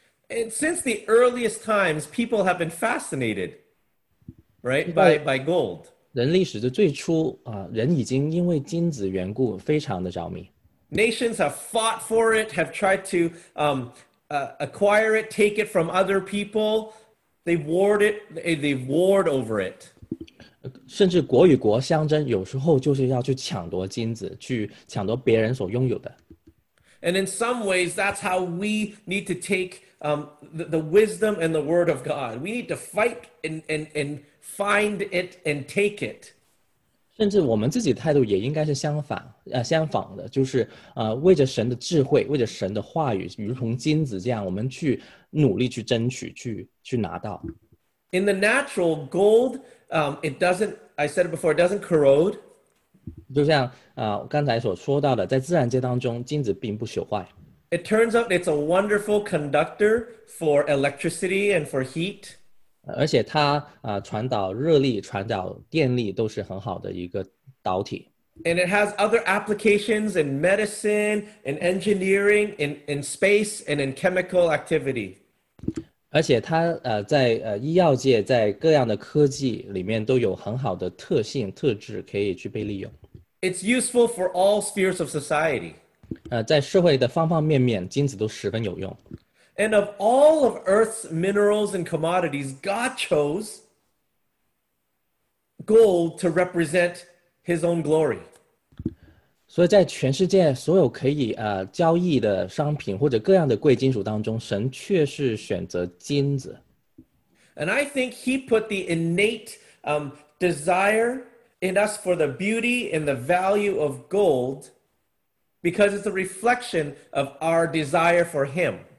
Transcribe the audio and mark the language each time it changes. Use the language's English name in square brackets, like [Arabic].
[English] And since the earliest times, people have been fascinated, right, by gold. [Chinese] 人历史的最初, 人已经因为金子缘故非常的着迷。 [English] Nations have fought for it, have tried to acquire it, take it from other people. They've warred over it. [Chinese] 甚至国与国相争, 有时候就是要去抢夺金子, 去抢夺别人所拥有的。 [English] And in some ways, that's how we need to take the wisdom and the word of God. We need to fight and find it and take it. [Chinese] 甚至我们自己的态度也应该是相反的, 就是, 为着神的智慧, 为着神的话语, 如同金子这样, 我们去努力去争取, 去拿到。 [English] In the natural, gold, I said it before, it doesn't corrode. [Chinese] 就像, 刚才所说到的, 在自然界当中, 金子并不朽坏。 [English] It turns out it's a wonderful conductor for electricity and for heat. [Chinese] 而且它, 传导热力, 传导电力, 都是很好的一个导体。 [English] And it has other applications in medicine, in engineering, in space, and in chemical activity. [Chinese] 而且它, 在, 医药界, 在各样的科技里面都有很好的特性, 特质可以去被利用。 [English] It's useful for all spheres of society. [Chinese] 在社会的方方面面, 金子都十分有用。 [English] And of all of Earth's minerals and commodities, God chose gold to represent his own glory. [Chinese] 所以在全世界所有可以交易的商品或者各样的贵金属当中，神却是选择金子。 [English] And I think he put the innate desire in us for the beauty and the value of gold because it's a reflection of our desire for him.